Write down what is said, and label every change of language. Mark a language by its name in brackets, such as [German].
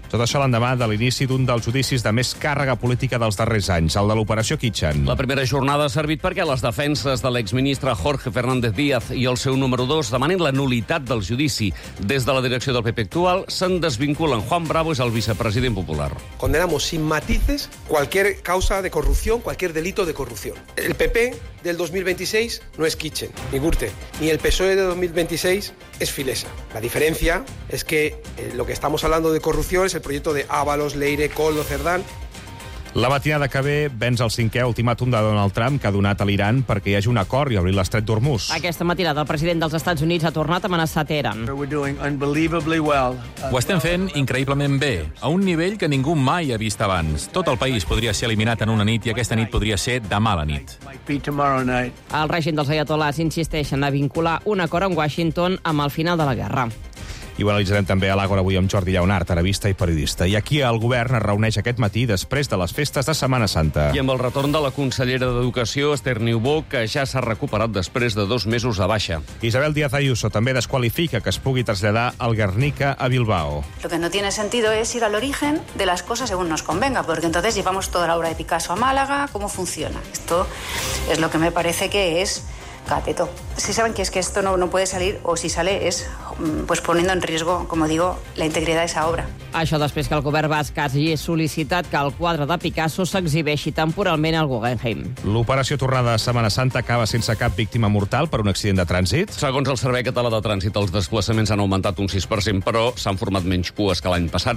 [Catalan] Tot això l'endemà de l'inici d'un dels judicis de més càrrega política dels darrers anys, el de l'operació Kitchen. La primera jornada ha servit perquè les defenses de l'exministre Jorge Fernández Díaz i el seu número 2 demanen la nul·litat del judici. Des de la direcció del PP actual se'n desvinculen. Juan Bravo és el vicepresident popular. [Spanish] Condenamos sin matices cualquier causa de corrupción, cualquier delito de corrupción. El PP del 2026 no es Kitchen, ni Gürtel, ni el PSOE de 2026 es Filesa. La diferencia es que lo que estamos hablando de corrupción es el proyecto de Ábalos, Leire, Coldo, Cerdán. [Catalan] La matinada que ve venç el cinquè ultimàtum de Donald Trump, que ha donat a l'Iran perquè hi hagi un acord i obrir l'estret d'Hormuz. Aquesta matinada el president dels Estats Units ha tornat a amenaçar Teheran. Ho estem fent increïblement bé, a un nivell que ningú mai ha vist abans. Tot el país podria ser eliminat en una nit i aquesta nit podria ser demà la nit. El règim dels ayatolars insisteixen a vincular un acord amb Washington amb el final de la guerra. I ho analitzarem també a l'Àgora avui amb Jordi Lleonart, arabista i periodista. I aquí el govern es reuneix aquest matí després de les festes de Setmana Santa. I amb el retorn de la consellera d'Educació, Esther Niubó, que ja s'ha recuperat després de 2 mesos de baixa. Isabel Díaz Ayuso també desqualifica que es pugui traslladar el Guernica a Bilbao. [Spanish] Lo que no tiene sentido es ir al origen de las cosas según nos convenga, porque entonces llevamos toda la obra de Picasso a Málaga, ¿cómo funciona? Esto es lo que me parece que es... cateto. Si saben que es que esto no puede salir, o si sale es pues poniendo en riesgo, como digo, la integridad de esa obra. [Catalan] Això després que el govern basc hagi sol·licitat que el quadre de Picasso s'exhibeixi temporalment al Guggenheim. L'operació tornada de Setmana Santa acaba sense cap víctima mortal per un accident de trànsit. Segons el Servei Català de Trànsit, els desplaçaments han augmentat un 6%, però s'han format menys cues que l'any passat.